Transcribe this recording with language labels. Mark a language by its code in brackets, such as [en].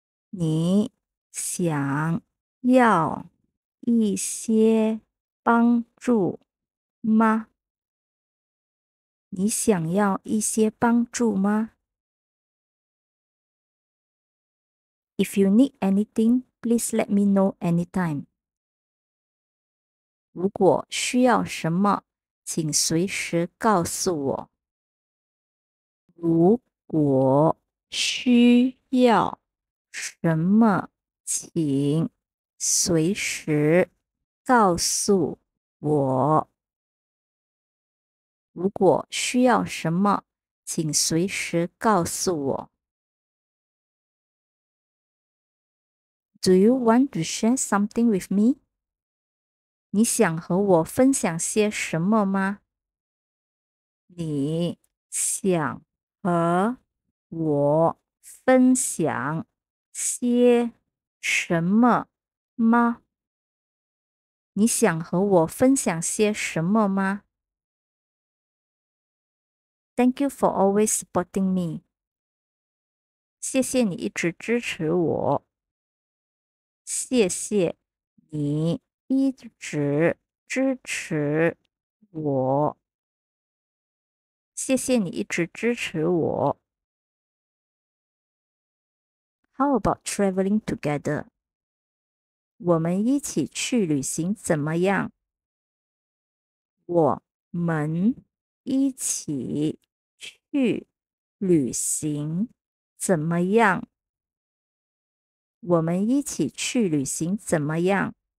[zh] 你想要一些帮助吗？你想要一些帮助吗？ [en] If you need anything, please let me know anytime. [zh] 如果需要什么，请随时告诉我。如果需要什么，请随时告诉我。如果需要什么，请随时告诉我。 [en] Do you want to share something with me? [zh] 你想和我分享些什么吗？你想和我分享些什么吗？你想和我分享些什么吗？ [en] Thank you for always supporting me. [zh] 谢谢你一直支持我。谢谢你一直支持我。谢谢你一直支持我。 [en] How about traveling together? [zh] 我们一起去旅行怎么样？我们一起去旅行怎么样？我们一起去旅行怎么样？